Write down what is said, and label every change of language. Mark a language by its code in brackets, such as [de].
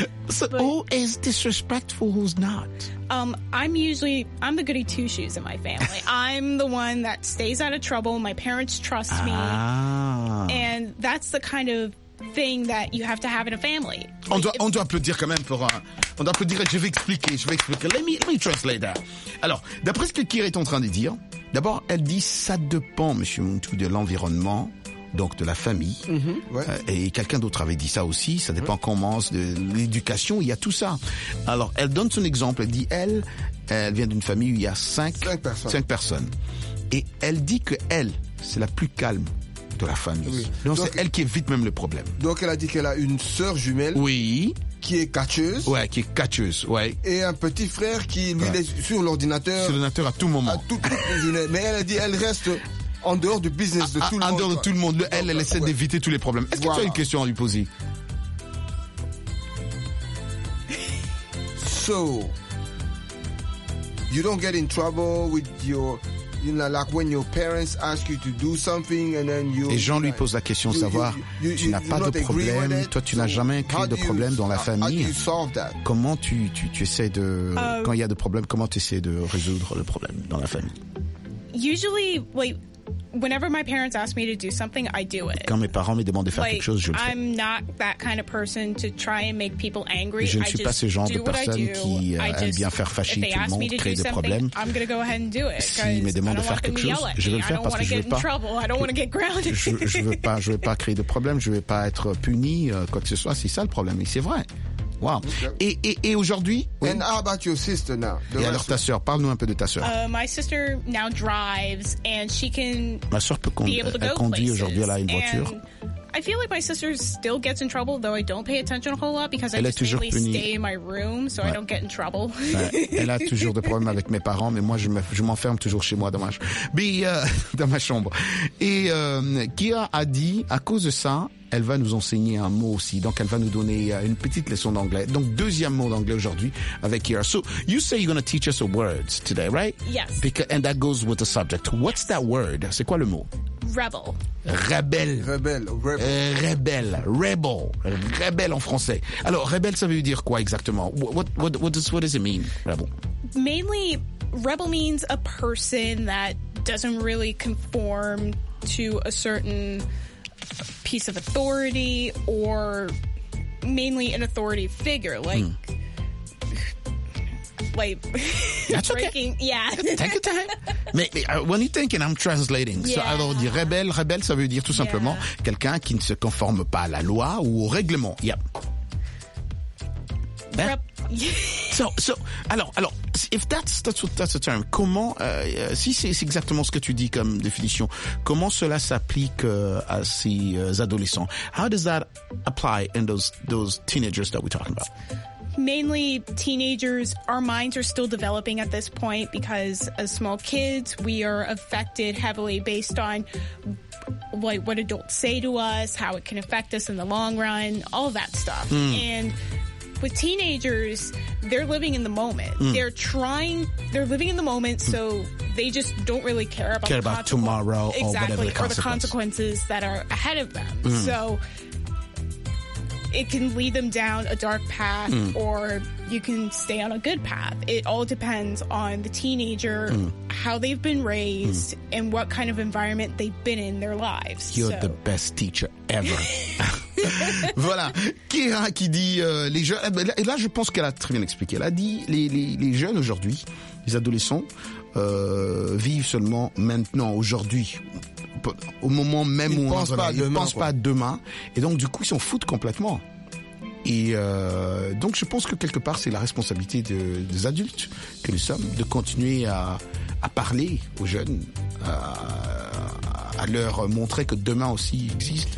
[en] So but, who is disrespectful, who's not? I'm the goody two-shoes in my family. I'm the one that stays out of trouble. My parents trust me. And that's the kind of thing that you have to have in a family. [fr] On doit applaudir quand même pour un... On doit applaudir et je vais expliquer. [en] Let me translate that. [fr] Alors, d'après ce que Kira est en train de dire, d'abord, elle dit ça dépend, Monsieur Muntu, de l'environnement, donc de la famille. Mm-hmm. Ouais. Et quelqu'un d'autre avait dit ça aussi, ça dépend comment, de l'éducation, il y a tout ça. Alors, elle donne son exemple, elle dit elle vient d'une famille où il y a cinq personnes. Et elle dit que elle, c'est la plus calme de la famille. Oui. Donc c'est elle qui évite même le problème. Donc elle a dit qu'elle a une sœur jumelle. Oui. Qui est catcheuse. Ouais, qui est catcheuse, ouais. Et un petit frère qui lui est sur l'ordinateur. Sur l'ordinateur à tout moment. Mais elle a dit elle reste en dehors du business de tout le monde. En dehors de tout le monde. Elle essaie d'éviter tous les problèmes. Est-ce que tu as une question à lui poser? [en] So, you don't get in trouble with your... You know, like when your parents ask you to do something and then you... [fr] Et Jean lui pose la question, savoir, tu n'as pas de problème, toi tu n'as jamais créé de problème dans la famille. [en] How do you solve that? [fr] Comment tu essaies de... Quand il y a de problèmes, comment tu essaies de résoudre le problème dans la famille? [en] Usually, whenever my parents ask me to do something, I do it. [fr] Quand mes parents me demandent de faire quelque chose, je le fais. [en] I'm not that kind of person to try and make people angry. [fr] Je ne suis pas ce genre de personne qui aime bien faire fâcher tout le monde, créer des problèmes. [en] I'm going to go ahead and do it. [fr] S'ils me demandent de faire quelque chose, je vais le faire parce que je veux pas. [en] I don't want to get grounded. [fr] Je veux pas créer de problèmes, je veux pas être puni, quoi que ce soit, c'est ça le problème, et c'est vrai. Wow. Okay. Et aujourd'hui? Oui. [en] And how about your sister now? [fr] Et alors ta sœur, parle-nous un peu de ta sœur. [en] My sister now drives and she can. [fr] Ma sœur peut conduire aujourd'hui, elle a une voiture. [en] I feel like my sister still gets in trouble, though I don't pay attention a whole lot because [fr] elle [en] I just mainly [fr] punie. [en] Stay in my room, so I don't get in trouble. [fr] Elle a toujours des problèmes avec mes parents, mais moi je m'enferme toujours chez moi dans ma chambre. Et Kira a dit à cause de ça. Elle va nous enseigner un mot aussi. Donc, elle va nous donner une petite leçon d'anglais. Donc, deuxième mot d'anglais aujourd'hui avec Kira. [en] So, you say you're going to teach us a word today, right? Yes. Because, and that goes with the subject. What's that word? [fr] C'est quoi le mot? [en] Rebel. Rebel. Rebel. [fr] Rebel. Rebel. Rebel en français. Alors, rebel, ça veut dire quoi exactement? [en] What does it mean, rebel? Mainly, rebel means a person that doesn't really conform to a certain... piece of authority or mainly an authority figure that's breaking, okay. Yeah. Take your time. [fr] Mais, [en] when you're thinking, I'm translating. Yeah. [fr] So, alors, dit rebelle, ça veut dire tout simplement quelqu'un qui ne se conforme pas à la loi ou au règlement. Yep. So, if that's the term, comment, si c'est exactement ce que tu dis comme définition, comment cela s'applique à ces adolescents? [en] How does that apply in those teenagers that we're talking about? Mainly teenagers, our minds are still developing at this point because as small kids, we are affected heavily based on what adults say to us, how it can affect us in the long run, all of that stuff. Mm. And with teenagers, they're living in the moment. Mm. They're living in the moment, so they just don't really care about tomorrow or the consequences that are ahead of them. Mm. So it can lead them down a dark path or you can stay on a good path. It all depends on the teenager, how they've been raised, and what kind of environment they've been in their lives. You're the best teacher ever. [fr] Voilà. Kira qui dit les jeunes. Et là, je pense qu'elle a très bien expliqué. Elle a dit les jeunes aujourd'hui, les adolescents, vivent seulement maintenant, aujourd'hui. Au moment même ils où on pense en pas demain, ils pensent quoi. Pas à demain. Et donc, du coup, ils s'en foutent complètement. Et donc, je pense que quelque part, c'est la responsabilité des adultes que nous sommes de continuer à parler aux jeunes, à leur montrer que demain aussi existe.